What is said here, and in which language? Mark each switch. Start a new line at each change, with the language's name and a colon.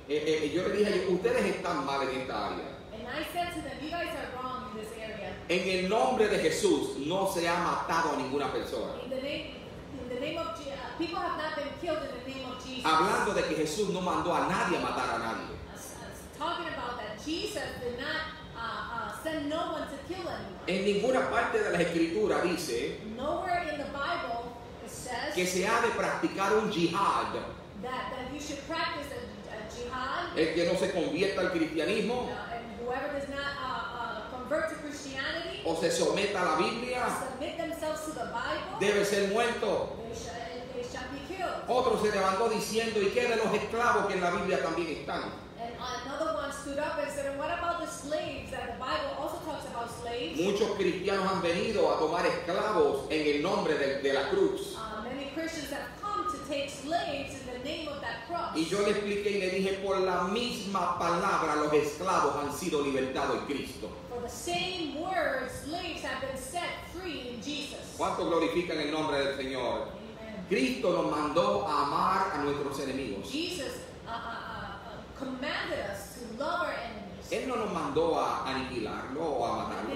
Spanish: Yo le dije, ustedes están mal en esta área.
English: And I said to them, you guys are wrong in this area.
Spanish: En el nombre de Jesús no se ha matado a ninguna persona.
English: In the name of people have not been killed in the name of Jesus.
Spanish: Hablando de que Jesús no mandó a nadie a matar a nadie.
English: Talking about that, Jesus did not send no one to kill anyone.
Spanish: En ninguna parte de la escritura dice,
English: nowhere in the Bible it says,
Spanish: que se ha de practicar un jihad.
English: That you should practice jihad.
Spanish: El que no se convierta al cristianismo,
English: whoever does not convert to Christianity,
Spanish: o se someta a la Biblia,
English: submit themselves to the Bible,
Spanish: debe ser muerto.
English: They shall be killed.
Spanish: Otro se levantó diciendo, ¿y qué de los esclavos que en la Biblia también están?
English: And another one stood up and said, what about the slaves that the Bible also talks about slaves?
Spanish: Muchos cristianos han venido a tomar esclavos en el nombre de la cruz.
English: Many Christians have come to take slaves.
Spanish: Y yo le expliqué y le dije, por la misma palabra los esclavos han sido libertados en Cristo.
English: For the same word, slaves have been set free in Jesus.
Spanish: ¿Cuánto glorifican el nombre del Señor?
English: Amen.
Spanish: Cristo nos mandó a amar a nuestros enemigos.
English: Jesus commanded us to love our enemies.
Spanish: Él no nos mandó a aniquilarlo o a matarlos.